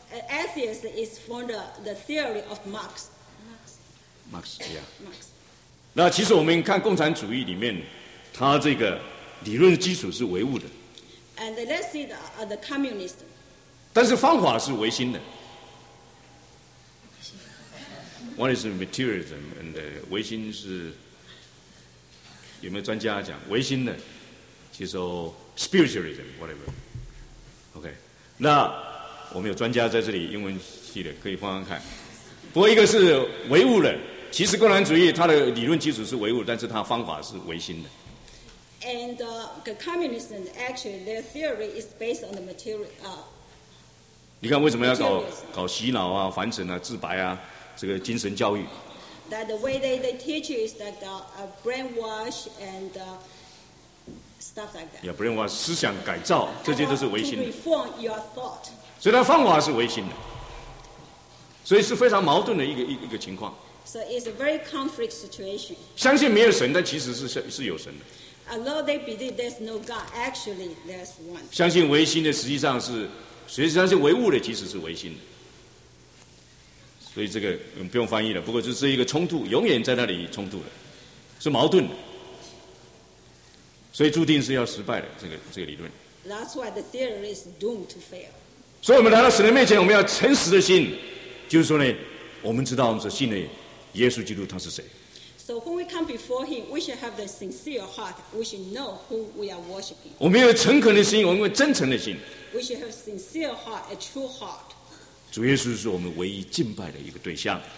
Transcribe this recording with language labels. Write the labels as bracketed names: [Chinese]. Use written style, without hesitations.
[English] Atheist is from the theory of Marx. Marx, yeah. Marx. [Chinese] 那其实我们看共产主义里面，它这个理论基础是唯物的。 [English] And let's see the communist. [Chinese] 但是方法是唯心的。 [English] One is materialism, and [Chinese] 唯心是有没有专家讲唯心的？其实 [English] spiritualism, whatever. Okay, 那。 [Chinese] 我们有专家在这里，英文系的可以放放看。不过一个是唯物的，其实共产主义它的理论基础是唯物，但是它方法是唯心的。 [English] And the communism actually their theory is based on the material. [Chinese] 你看为什么要搞洗脑啊、凡尘啊、自白啊、这个精神教育 [English] ？That the way they teach you is that the brainwash and stuff like that. [Chinese] Yeah, brainwash 思想改造，这些都是唯心的。 [English] To reform your thought. [Chinese] 所以他方法是唯心的，所以是非常矛盾的一个情况。 [English] So it's a very conflict situation. [Chinese] 相信没有神，但其实是有神的。 [English] Although they believe there's no God, actually there's one. [Chinese] 相信唯心的实际上是，所以相信唯物的其实是唯心的。所以这个不用翻译了，不过就是一个冲突，永远在那里冲突的，是矛盾的，所以注定是要失败的这个理论。 [English] That's why the theory is doomed to fail. [Chinese] 所以我们来到神的面前，我们要诚实的信，就是说呢，我们知道我们所信的耶稣基督他是谁。 [English] So when we come before him, we should have the sincere heart. We should know who we are worshiping. [Chinese] 我们有诚恳的心，我们有真诚的心。 [English] We should have sincere heart, a true heart. [Chinese] 主耶稣是我们唯一敬拜的一个对象。